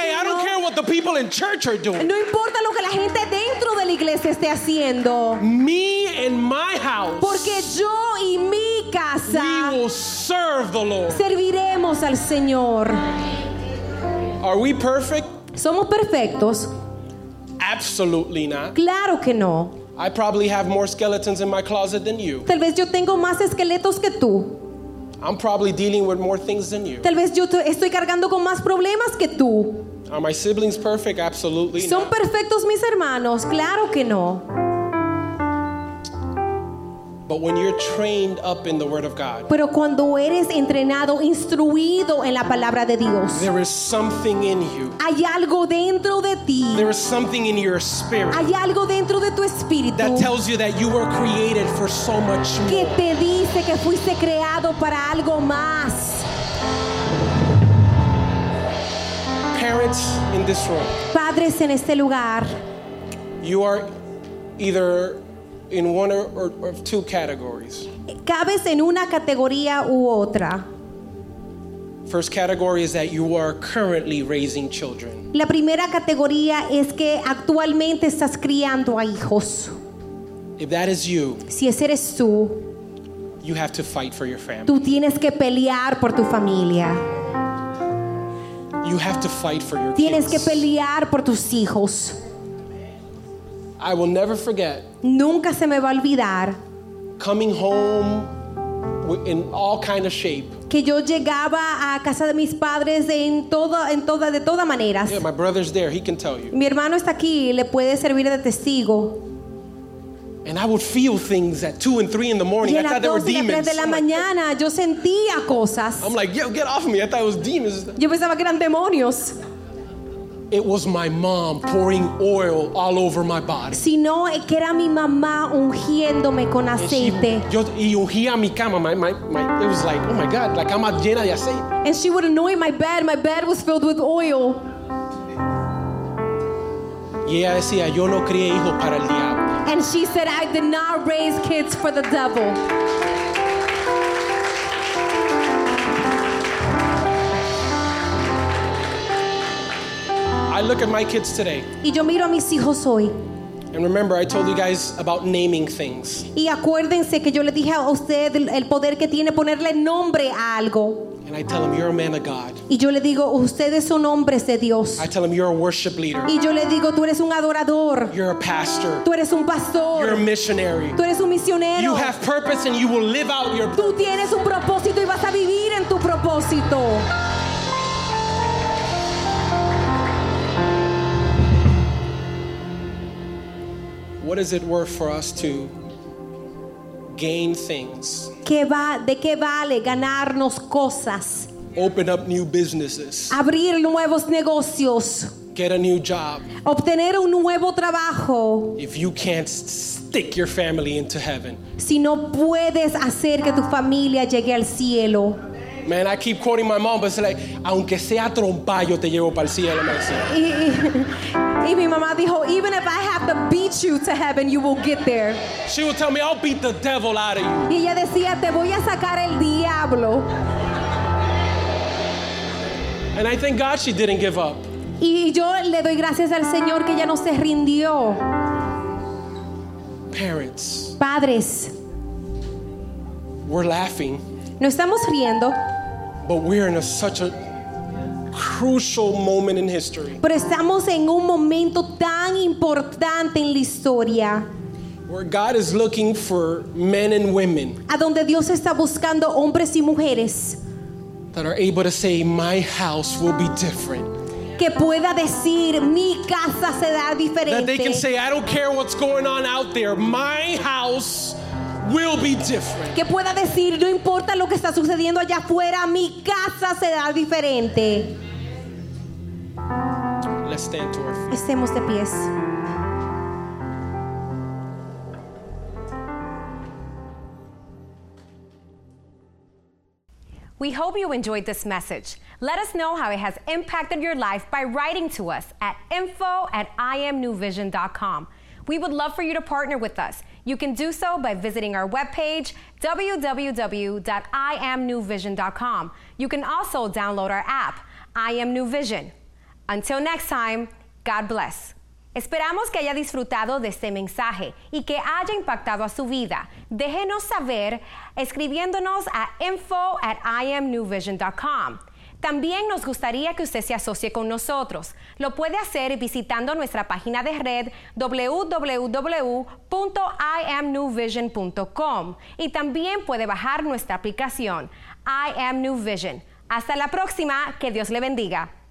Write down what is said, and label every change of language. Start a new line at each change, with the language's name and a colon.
English: Hey, I don't care what the people in church are doing.
Spanish: No importa lo que la gente dentro de la iglesia esté haciendo.
English: Me and my house.
Spanish: Porque yo y mi casa.
English: We will serve the Lord.
Spanish: Serviremos al Señor.
English: Are we perfect?
Spanish: ¿Somos perfectos?
English: Absolutely not.
Spanish: Claro que no.
English: I probably have more skeletons in my closet than you.
Spanish: Tal vez yo tengo más esqueletos que tú.
English: I'm probably dealing with more things than you.
Spanish: Tal vez yo estoy cargando con más problemas que tú.
English: Are my siblings perfect? Absolutely not.
Spanish: ¿Son perfectos mis hermanos? Claro que no.
English: But when you're trained up in the Word of God,
Spanish: pero cuando eres entrenado, instruido en la palabra de Dios,
English: there is something in you.
Spanish: Hay algo dentro de ti.
English: There is something in your spirit.
Spanish: Hay algo dentro de tu espíritu.
English: That tells you that you were created for so much more.
Spanish: Que te dice que fuiste creado para algo más.
English: Parents in this room.
Spanish: Padres en este lugar.
English: You are either in one or two categories.
Spanish: Cabes en una categoría u otra.
English: First category is that you are currently raising children.
Spanish: La primera categoría es que actualmente estás criando a hijos.
English: If that is you,
Spanish: si ese eres tú,
English: you have to fight for your family.
Spanish: Tú tienes que pelear por tu familia.
English: You have to fight for your
Spanish: tienes
English: kids.
Spanish: Que pelear por tus hijos.
English: I will never forget.
Spanish: Nunca se me va a olvidar.
English: Coming home in all kind of shape.
Spanish: Que yo llegaba a casa de mis padres de toda manera.
English: Yeah, my brother's there. He can tell you.
Spanish: Mi hermano está aquí. Le puede servir de testigo.
English: And I would feel things at 2 and 3 in the morning. I thought they were demons.
Spanish: Y a las 2 de la mañana yo sentía cosas.
English: I'm like, yo, get off of me! I thought it was demons.
Spanish: Yo pensaba que eran demonios.
English: It was my mom pouring oil all over my body.
Spanish: Sino que era mi mamá ungiéndome con aceite. Y ungía mi cama.
English: My it was like, oh my God,
Spanish: la cama llena de aceite.
English: And she would anoint my bed. My bed was filled with oil.
Spanish: Y ella decía, yo no crié hijos para el diablo.
English: And she said, I did not raise kids for the devil. I look at my kids today.
Spanish: Y yo miro a mis hijos hoy.
English: And remember, I told you guys about naming things.
Spanish: Y acuérdense que yo le dije a usted el poder que tiene ponerle nombre a algo.
English: And I tell them, you're a man of God.
Spanish: Y yo le digo, ustedes son hombres de Dios.
English: I tell them, you're a worship leader.
Spanish: Y yo le digo, tú eres un adorador.
English: You're a pastor.
Spanish: Tú eres un pastor.
English: You're a missionary.
Spanish: Tú eres un misionero.
English: You have purpose and you will live out your purpose.
Spanish: Tú tienes un propósito y vas a vivir en tu propósito.
English: What is it worth for us to gain things?
Spanish: ¿De qué vale ganarnos cosas?
English: Open up new businesses.
Spanish: Abrir nuevos negocios.
English: get a new job,
Spanish: obtener un nuevo trabajo,
English: if you can't stick your family into heaven,
Spanish: si no puedes hacer que tu familia llegue al cielo.
English: Man, I keep quoting my mom, but it's like,
Spanish: aunque sea trompa, yo te llevo para el cielo, me decía. Y mi mamá dijo,
English: even if I have to beat you to heaven, you will get there. She would tell me, I'll beat the devil out of you.
Spanish: Y ella decía, te voy a sacar el diablo.
English: And I thank God she didn't give up.
Spanish: Y yo le doy gracias al Señor que ella no se rindió.
English: Parents.
Spanish: Padres.
English: We're laughing.
Spanish: No estamos riendo.
English: But we're in a, such a crucial moment in history.
Spanish: Pero estamos en un momento tan importante en la historia.
English: Where God is looking for men and women.
Spanish: A donde Dios está buscando hombres y mujeres.
English: That are able to say, my house will be different.
Spanish: Que pueda decir, mi casa será diferente.
English: That they can say, I don't care what's going on out there, my house will be different.
Spanish: Que pueda decir, no importa lo que está sucediendo allá afuera, mi casa será diferente.
English: Let's stand to our feet.
Spanish: Estemos de pies.
English: We hope you enjoyed this message. Let us know how it has impacted your life by writing to us at info@imnewvision.com. We would love for you to partner with us. You can do so by visiting our webpage, www.imnewvision.com. You can also download our app, I Am New Vision. Until next time, God bless.
Spanish: Esperamos que haya disfrutado de este mensaje y que haya impactado a su vida. Déjenos saber escribiéndonos a info@imnewvision.com. También nos gustaría que usted se asocie con nosotros. Lo puede hacer visitando nuestra página de red www.imnewvision.com y también puede bajar nuestra aplicación I Am New Vision. Hasta la próxima. Que Dios le bendiga.